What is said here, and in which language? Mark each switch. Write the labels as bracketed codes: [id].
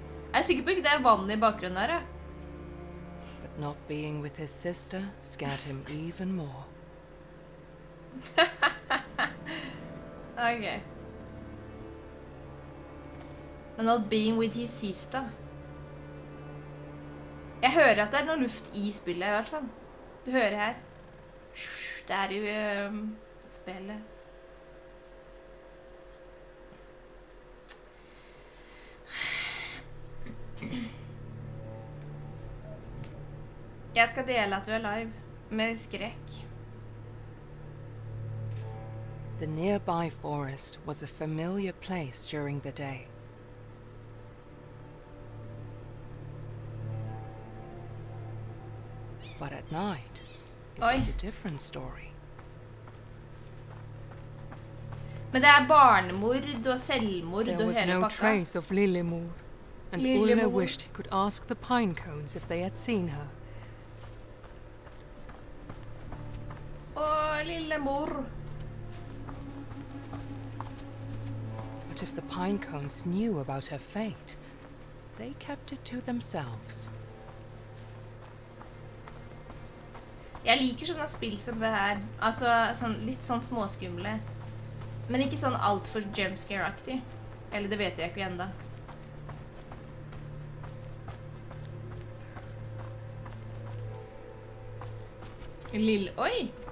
[no] Jeg er sikker på ikke det er vann i bakgrunnen her, ja. [en] But not being with his sister scared him even more. Ok. But not being with his sister. [no] Jeg hører at det er noe luft i spillet, i hvert fall. Du hører her. Det er jo spillet. Jeg skal dele at du er live med skrekk. [en] The nearby forest was a familiar place during the day. But at night, it's a different story. [no] Men det er barnemord og selvmord og hele pakka. [en] There was no trace of Lillemor, and Ulle wished he could ask the pine cones if they had seen her. [no] Åh, Lillemor. [en] But if the pine cones knew about her fate, they kept it to themselves. [no] Jeg liker sånne spill som det her. Altså, sånn, litt sånn småskumle. Men ikke sånn alt for jumpscare-aktig. Eller det vet jeg ikke enda. Lille... Oi!